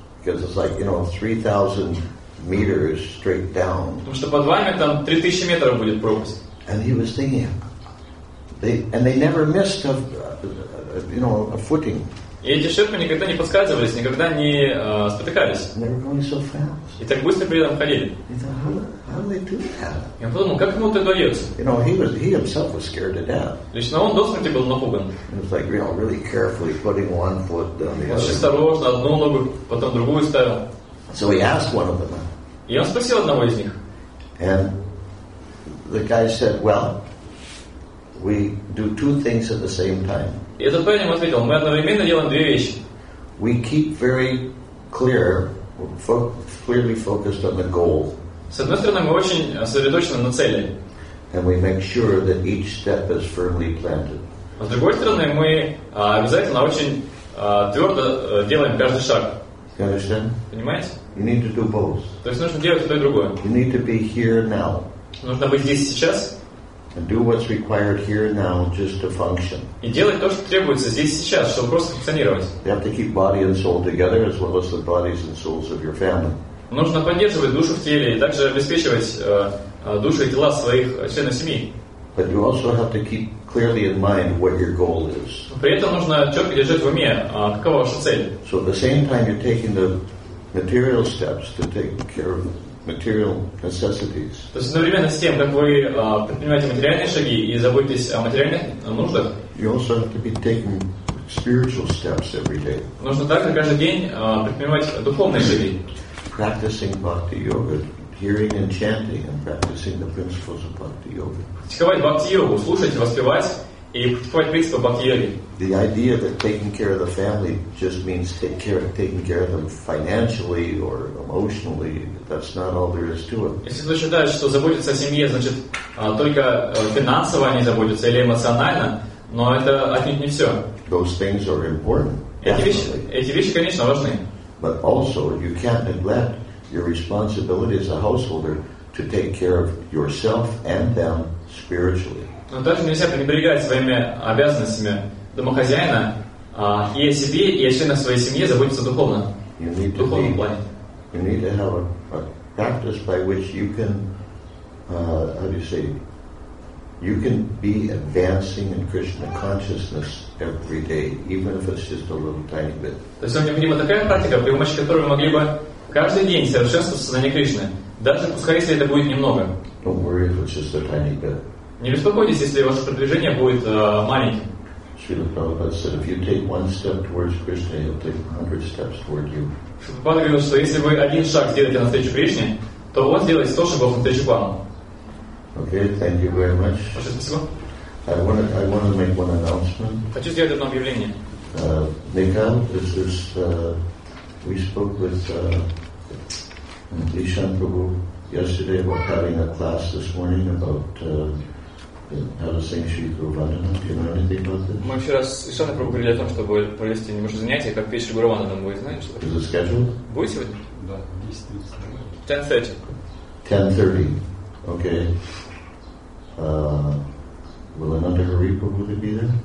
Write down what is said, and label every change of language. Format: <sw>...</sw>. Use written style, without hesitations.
<en>Because it's like, you know, 3,000 meters straight down.</en> <ru>Потому что под вами там 3,000 метров будет пропасть.</ru> <en>And he was thinking, they never missed a footing.</en> <ru>И эти шерпы никогда не подскальзывались, никогда не спотыкались.</ru> <en>They were going so fast.</en> <ru>И так быстро при этом ходили.</ru> <en>How do they do that?</en> <ru>И он подумал, как ему это удается?</ru> <en>You know, he himself was scared to death.</en> <ru>Лично он до смерти был напуган.</ru> <en>It was like, you know, really carefully putting one foot down the other.</en> <ru>Осторожно, одну ногу, потом другую ставил.</ru> <en>So he asked one of them.</en> <ru>И он спросил одного из них.</ru> <en>And the guy said, well, we do two things at the same time.</en> <ru>И этот парень ему ответил, мы одновременно делаем две вещи.</ru> <en>We keep very clear, clearly focused on the goal.</en> <ru>С одной стороны, мы очень сосредоточены на цели.</ru> <en>And we make sure that each step is firmly planted.</en> <ru>А с другой стороны, мы обязательно очень твердо делаем каждый шаг.</ru> <en>You understand?</en> <ru>Понимаете?</ru> <en>You need to do both.</en> <ru>То есть нужно делать то и другое.</ru> <en>You need to be here now.</en> <ru>Нужно быть здесь сейчас.</ru> <en>And do what's required here now just to function.</en> <ru>И делать то, что требуется здесь сейчас, чтобы просто функционировать.</ru> <en>You have to keep body and soul together as well as the bodies and souls of your family.</en> <ru>Нужно поддерживать душу в теле и также обеспечивать душу и тела своих членов семьи.</ru> <en>But you also have to keep clearly in mind what your goal is.</en> <ru>При этом нужно четко держать в уме, какова ваша цель.</ru> <en>So at the same time you're taking the material steps to take care of material necessities.</en> <ru>То есть одновременно с тем, как вы предпринимаете материальные шаги и заботитесь о материальных нуждах,</ru> <en>you also have to be taking spiritual steps every day.</en> <ru>Нужно также каждый день предпринимать духовные шаги.</ru> <en>Practicing bhakti yoga, hearing and chanting and practicing the principles of bhakti yoga.</en> <ru>Практиковать бхакти йогу, слушать, воспевать И практиковать принципы бхакти-йоги.</ru> <en>The idea that taking care of the family just means taking care of them financially or emotionally, that's not all there is to it.</en> <ru>Если кто считает, что заботиться о семье, значит, только финансово они заботятся или эмоционально, но это отнюдь не все.</ru> <en>Those things are important.</en> <ru>Эти вещи, конечно, важны.</ru> <en>But also, you can't neglect your responsibility as a householder to take care of yourself and them spiritually.</en> <ru>Но также нельзя пренебрегать своими обязанностями домохозяина, и о себе, и о членах своей семьи заботиться духовно.</ru> <en>You need to</en> <ru>духовном</ru> <en>be,</en> <ru>плане.</ru> <en>You need to have a practice by which you can, how do you say, you can be advancing in Krishna consciousness every day, even if it's just a little tiny bit.</en> <ru>То есть вам необходима такая практика, при помощи которой вы могли бы каждый день совершенствовать сознание Кришны, даже пускай если это будет немного.</ru> <en>Don't worry if it's just a tiny bit.</en> <ru>Не беспокойтесь, если ваше продвижение будет маленьким.</ru> <en>Srila Prabhupada said, if you take one step towards Krishna, he'll take 100 steps toward you.</en> <ru>Prabhupada говорил, что если вы один шаг сделаете навстречу Кришне, то он сделает 100 шагов навстречу вам.</ru> <en>Okay, thank you very much.</en> <ru>Большое спасибо.</ru> <en>I want to make one announcement.</en> <ru>Хочу сделать одно объявление.</ru> <en>Nikhil, this is we spoke with Ishan Prabhu yesterday about having a class this morning about how to sing Sri Guru Vandana. Do you know anything about this?</en> <ru>Мы вчера с Ишан Прабху говорили о том, чтобы провести немножко занятий, как петь Шри Гуру Вандана. Вы знаете, что?</ru> <en>Is it scheduled?</en> <ru>Будет сегодня? Да. 10:30.</ru> <en>10:30. Okay. Will Ananda Hari Prabhu be there?</en>